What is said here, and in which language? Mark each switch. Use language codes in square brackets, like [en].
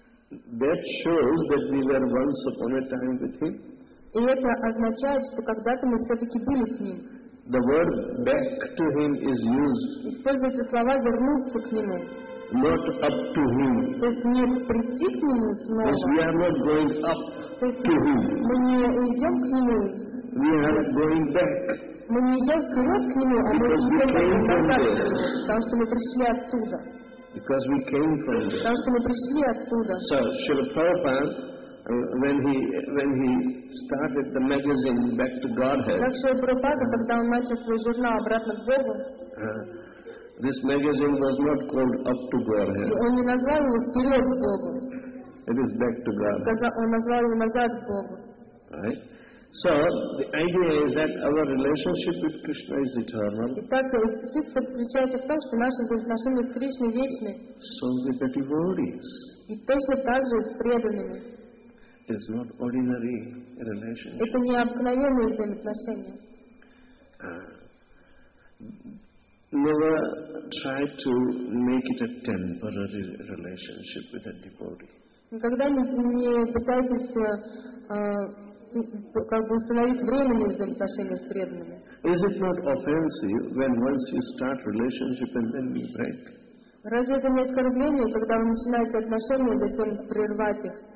[en] That shows that we were once upon a time with Him. [ru] И это означает, что когда-то мы все-таки были с Ним. [en] The word back to Him is used. [ru] Используются слова вернуться к Нему. [en] Not up to Him. [ru] То есть не прийти к Нему снова. [en] Because we are not going up to Him. [ru] Мы не идем к Нему. [en] We are going back. [ru] Мы не идем вперед к Нему, а мы идем назад, потому что мы пришли оттуда. [en] Because we came from there. [ru] Потому что мы пришли оттуда. [en] So, Srila Prabhupada, when he started the magazine Back to Godhead. [ru] Так Srila Prabhupada, когда он начал свой журнал «Обратно к Богу», [en] this magazine was not called Up to Godhead. [ru] Он не назвал его «Вперед к Богу». [en] It is Back to Godhead. [ru] Он назвал его «Назад к Богу». [en] Right? So the idea is that our relationship with Krishna is eternal. [ru] Итак, суть заключается в том, что наши отношения с Кришной вечны. [en] So the devotees. [ru] И точно так же преданными. [en] It's not ordinary relationship. [ru] Это не обыкновенные взаимоотношения. [en] Never try to make it a temporary relationship with a devotee. [ru] Никогда не пытайтесь как бы установить временные взаимоотношения с преданными. [en] Is it not offensive when once you start relationship and then you break? [ru] Разве это не оскорбление, когда вы начинаете отношения, затем прервать их?